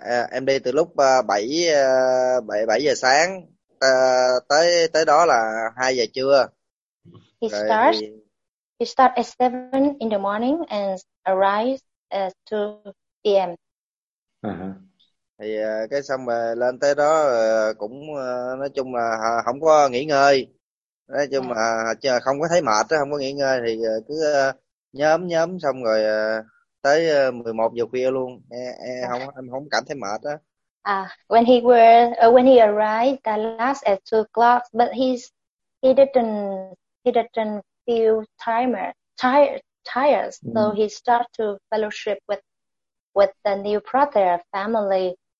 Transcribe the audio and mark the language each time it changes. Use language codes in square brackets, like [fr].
[vi] Em đi từ lúc 7 giờ sáng tới đó là 2 giờ trưa. [en] He starts at 7 in the morning and arrives at 2 p.m. [vi] Cái xong rồi lên tới đó cũng nói chung là không có nghỉ ngơi. Nói chung là không có thấy mệt, không có nghỉ ngơi thì cứ nhóm xong rồi tới 11 giờ khuya luôn. Em không cảm thấy mệt á. [en] When he arrived the last at 2 o'clock, but he didn't feel tired. So he started to fellowship with the new brother family.